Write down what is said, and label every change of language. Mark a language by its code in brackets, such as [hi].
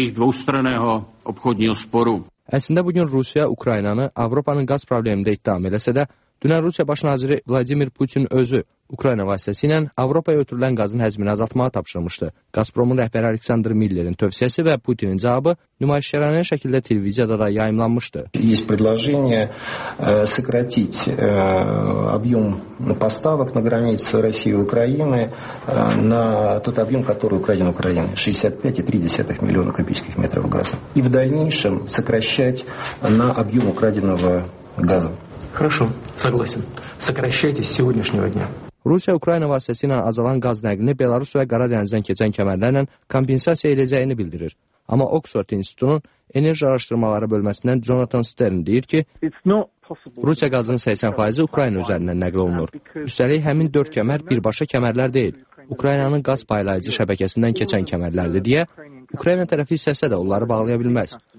[az] Əslində, bugün Rusiya Ukraynanı Avropanın qaz problemində ittiham eləsə də, dünən Rusiya baş naziri Vladimir Putin özü Ukrayna vasitəsilə Avropaya ötürülən qazın həcmini azaltmağı tapşırmışdı. Gazpromun rəhbəri Aleksandr Millerin tövsiyəsi və Putinin cavabı nümayişkərlərinə şəkildə televiziyada da yayımlanmışdı. [ru] Есть предложение сократить объём поставок на границу России и Украины на тот объём, который Украина Украине 65,3 млн кубических метров газа и в дальнейшем сокращать на объём украденного газа. Хорошо, согласен. Сокращайте с сегодняшнего дня. [az] Rusiya Ukrayna vasitəsilə azalan qaz nəqlini Belarus və Qara dənizdən keçən kəmərlərlə kompensasiya edəcəyini bildirir. Amma Oxford İnstitutunun enerji araşdırmaları bölməsindən Jonathan Stern deyir ki, Rusiya qazının 80% Ukrayna üzərindən nəql olunur. Üstəlik, həmin 4 kəmər birbaşa kəmərlər deyil, Ukraynanın qaz paylayıcı şəbəkəsindən keçən kəmərlərdir deyə Ukrayna tərəfi istəsə də onları bağlaya bilməz.